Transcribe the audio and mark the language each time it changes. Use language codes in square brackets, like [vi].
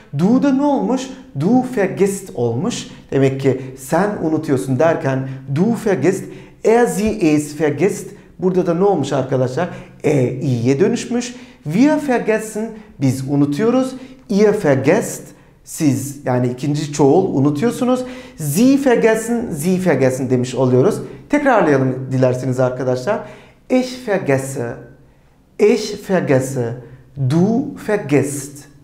[tr] Du da ne olmuş? [de] Du vergisst [tr] olmuş. Demek ki sen unutuyorsun derken [de] du vergisst. Er, sie, es vergisst. [tr] Burada da ne olmuş arkadaşlar? E, i'ye dönüşmüş. [de] Wir vergessen, [tr] biz unutuyoruz. [de] Ihr vergesst. [tr] Siz yani ikinci çoğul unutuyorsunuz. [de] Sie vergessen, sie vergessen [tr] demiş oluyoruz. Tekrarlayalım dilerseniz arkadaşlar. [de] Ich vergesse. Ich vergesse. Du vergisst.